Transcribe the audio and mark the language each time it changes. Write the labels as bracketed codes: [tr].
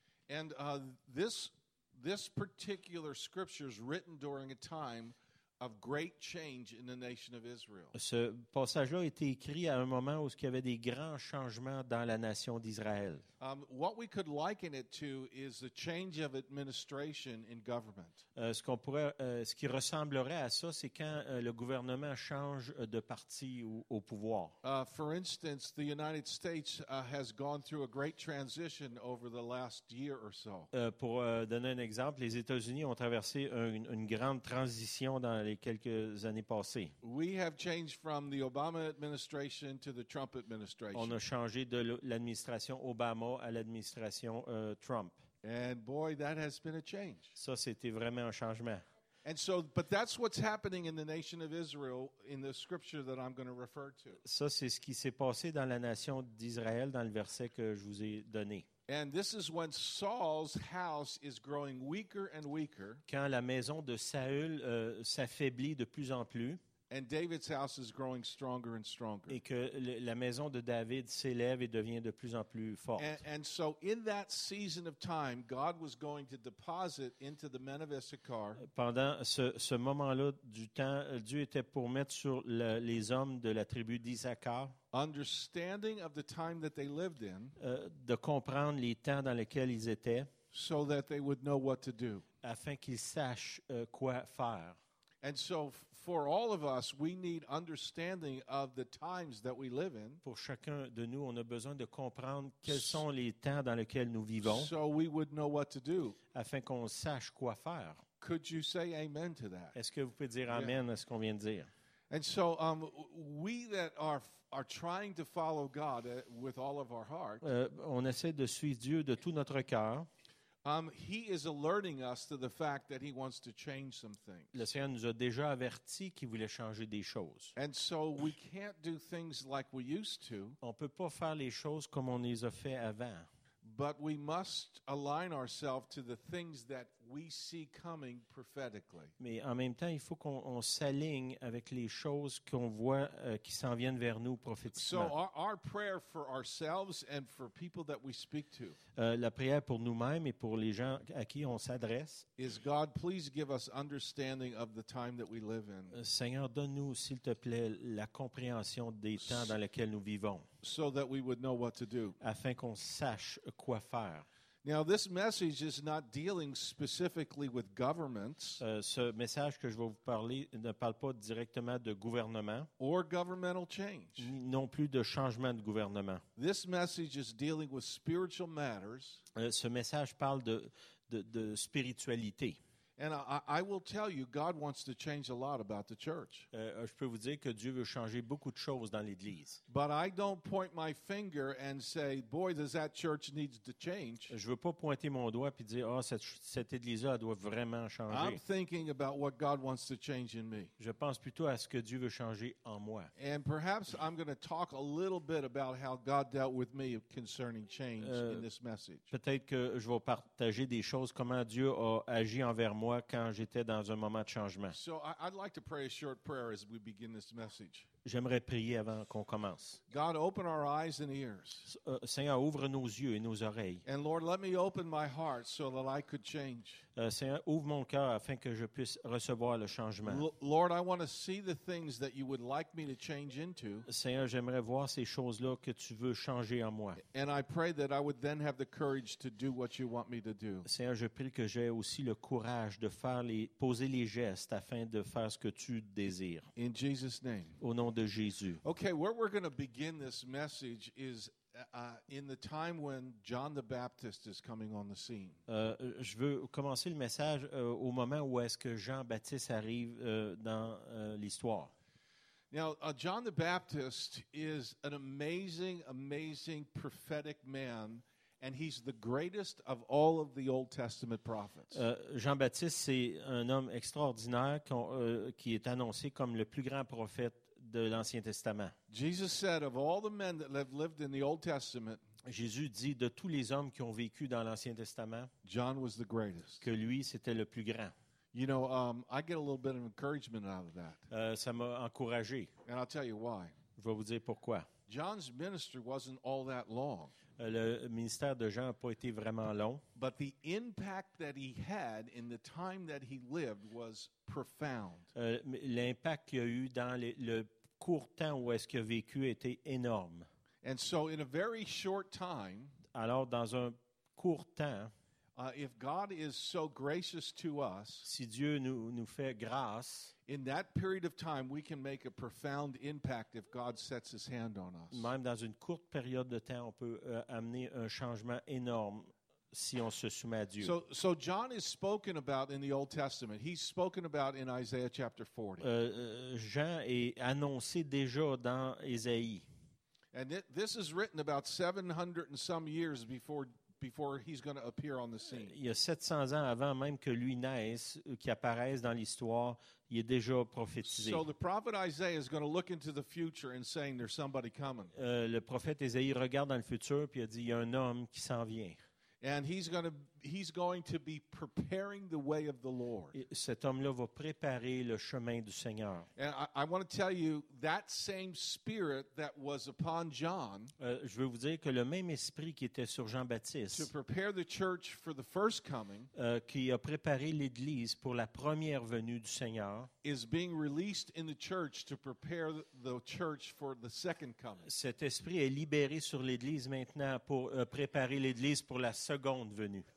[en] And this particular scripture is written during a time of great change in the nation of Israel. [fr] Ce passage-là a été écrit à un moment où il y avait des grands changements dans la nation d'Israël. [en] What we could liken it to is the change of administration in government. [fr] Ce qui ressemblerait à ça, c'est quand le gouvernement change de parti au pouvoir. [en] For instance, the United States has gone through a great transition over the last year or so. [fr] Pour donner un exemple, les États-Unis ont traversé une grande transition dans les quelques années passées. [en] We have changed from the Obama administration to the Trump administration. [fr] On a changé de l'administration Obama à l'administration Trump. [en] And boy, that has been a change. [fr] Ça, c'était vraiment un changement. [en] And so, but that's what's happening in the nation of Israel in the scripture that I'm going to refer to. [fr] Ça, c'est ce qui s'est passé dans la nation d'Israël dans le verset que je vous ai donné. [en] And this is when Saul's house is growing weaker and weaker. [fr] Quand la maison de Saül s'affaiblit de plus en plus. [en] And David's house is growing stronger and stronger. [fr] Et que la maison de David s'élève et devient de plus en plus forte. [en] And so in that season of time, God was going to deposit into the men of Issachar. [fr] Pendant ce moment-là du temps, Dieu était pour mettre sur les hommes de la tribu d'Issachar. [en] Understanding of the time that they lived in. [fr] De comprendre les temps dans lesquels ils étaient. [en] So that they would know what to do. [fr] Afin qu'ils sachent quoi faire. [en] And so for all of us, we need understanding of the times that we live in. [fr] Pour chacun de nous, on a besoin de comprendre quels sont les temps dans lesquels nous vivons. [en] So we would know what to do. [fr] Afin qu'on sache quoi faire. [en] Could you say amen to that? [fr] Est-ce que vous pouvez dire amen à ce qu'on vient de dire? [en] And so we that are trying to follow God with all of our heart. [fr] On essaie de suivre Dieu de tout notre cœur. [en] He is alerting us to the fact that he wants to change some things. [fr] Le Seigneur nous a déjà averti qu'il voulait changer des choses. [en] And so we can't do things like we used to. [fr] On peut pas faire les choses comme on les a fait avant. [en] But we must align ourselves to the things that we see coming prophetically. [fr] Mais en même temps, il faut qu'on s'aligne avec les choses qu'on voit qui s'en viennent vers nous prophétiquement. [en] So our prayer for ourselves and for people that we speak to. [fr] La prière pour nous-mêmes et pour les gens à qui on s'adresse. [en] Is God, please give us understanding of the time that we live in. [fr] Seigneur, donne-nous s'il te plaît la compréhension des temps dans lesquels nous vivons. [en] So that we would know what to do. [fr] Afin qu'on sache quoi faire. [en] Now, this message is not dealing specifically with governments. [fr] Ce message que je vais vous parler ne parle pas directement de gouvernement. [en] Or governmental change. [fr] Non plus de changement de gouvernement. [en] This message is dealing with spiritual matters. [fr] Ce message parle de spiritualité. [en] And I will tell you, God wants to change a lot about the church. [fr] Je peux vous dire que Dieu veut changer beaucoup de choses dans l'Église. [en] But I don't point my finger and say, boy, does that church needs to change. [fr] Je veux pas pointer mon doigt puis dire, oh, cette église-là doit vraiment changer. [en] I'm thinking about what God wants to change in me. [fr] Je pense plutôt à ce que Dieu veut changer en moi. [en] And perhaps I'm going to talk a little bit about how God dealt with me concerning change in this message. [fr] Peut-être que je vais partager des choses comment Dieu a agi envers moi quand j'étais dans un moment de changement. [en] So I'd like to pray a short prayer as we begin this message. [fr] J'aimerais prier avant qu'on commence. [en] God, open our eyes and ears. [fr] Seigneur, ouvre nos yeux et nos oreilles. [en] And Lord, let me open my heart so that I could change. [fr] Seigneur, ouvre mon cœur afin que je puisse recevoir le changement. [en] Lord, I want to see the things that you would like me to change into. [fr] Seigneur, j'aimerais voir ces choses-là que tu veux changer en moi. [en] And I pray that I would then have the courage to do what you want me to do. [fr] Seigneur, je prie que j'aie aussi le courage de poser les gestes afin de faire ce que tu désires. [en] In Jesus' name. [fr] Au nom de Jésus. [en] Okay, where we're going to begin this message is in the time when John the Baptist is coming on the scene. [fr] Je veux commencer le message au moment où est-ce que Jean-Baptiste arrive dans l'histoire. [en] Now, John the Baptist is an amazing, amazing prophetic man, and he's the greatest of all of the Old Testament prophets. [fr] Jean-Baptiste, c'est un homme extraordinaire qui est annoncé comme le plus grand prophète de l'Ancien Testament. [en] Jesus said of all the men that have lived in the Old Testament, [fr] Jésus dit de tous les hommes qui ont vécu dans l'Ancien Testament, [en] John was the greatest. [fr] Que lui c'était le plus grand. [en] You know, I get a little bit of encouragement out of that. [fr] Ça m'a encouragé. [en] And I'll tell you why. [fr] Je vais vous dire pourquoi. [en] John's ministry wasn't all that long. [fr] Le ministère de Jean n'a pas été vraiment long. [en] But the impact that he had in the time that he lived was profound. [fr] L'impact qu'il a eu dans le court temps où est-ce qu'il a vécu était énorme. [en] And so in a very short time, [fr] alors dans un court temps, [en] if God is so gracious to us, [fr] si Dieu nous fait grâce, [en] in that period of time we can make a profound impact if God sets his hand on us. [fr] Même dans une courte période de temps, on peut amener un changement énorme si on se soumet à Dieu. [en] So John is spoken about in the Old Testament. He's spoken about in Isaiah chapter 40. [fr] Jean est annoncé déjà dans Ésaïe. [en] And this is written about 700 and some years before he's going to appear on the scene. [fr] Il y a 700 ans avant même que lui naisse ou qu'il apparaisse dans l'histoire, il est déjà prophétisé. [en] So the prophet Isaiah is going to look into the future and saying there's somebody coming. [fr] Le prophète Ésaïe regarde dans le futur puis il a dit il y a un homme qui s'en vient. [en] And he's going to be preparing the way of the Lord. [fr] Cet homme-là va préparer le chemin du Seigneur. [en] And I want to tell you that same spirit that was upon John. [fr] Je veux vous dire que le même esprit qui était sur Jean-Baptiste. [en] To prepare the church for the first coming. [fr] Qui a préparé l'église pour la première venue du Seigneur. [en] Is being released in the church to prepare the church for the second coming. [fr] Cet esprit est libéré sur l'église maintenant pour préparer l'église pour la seconde venue.